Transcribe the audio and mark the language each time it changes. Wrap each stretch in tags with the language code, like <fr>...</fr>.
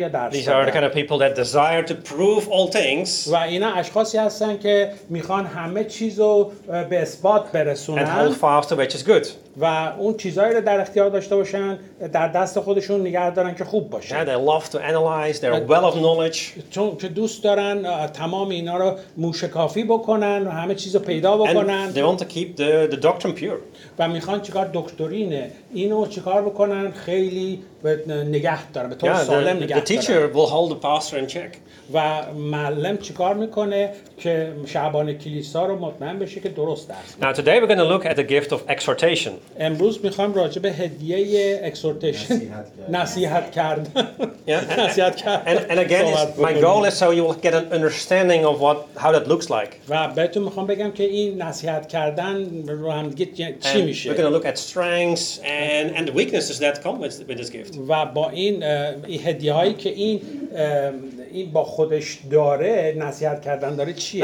<en>These are the kind of people that desire to prove all things.</en> <fa>و اینا اشخاصی هستن که میخوان همه چیزو به اثبات برسونن.</fa> <en>And hold fast to which is good.</en> <fa>و اون چیزایی رو در اختیار داشته باشن در دست خودشون نگه دارن که خوب باشه.</fa> <en>Yeah, they love to analyze their well of knowledge.</en> <fa>چون که دوست دارن تمام اینا رو موشکافی بکنن و همه چیزو پیدا بکنن.</fa> <en>And they want to keep the doctrine pure.</en> <fa>و میخوان چیکار دکترین اینو چیکار بکنن خیلی نگه دارن به طور سالم نگه دارن.</fa> <en>The teacher will hold the pastor in check.</en> <fa>و معلم چیکار میکنه که شعبان کلیسا رو مطمئن بشه که درست درس میده.</fa> <en>Now today we're going to look at the gift of exhortation.</en> <fa>امروز میخوام راجع به هدیه exhortation نصیحت کردن.</fa> <en>Yeah.</en> <fa>نصیحت کردن.</fa> <en>And again, my goal is so you will get an understanding of what how that looks like.</en> <fa>و بهتون میخوام بگم که این نصیحت کردن رو هم دیگه چی میشه.</fa> <en>We're going to look at strengths and the weaknesses that come with this gift.</en> <fa>و با این هدیه هایی که این با خودش داره نصیحت کردن داره چیه؟</fa>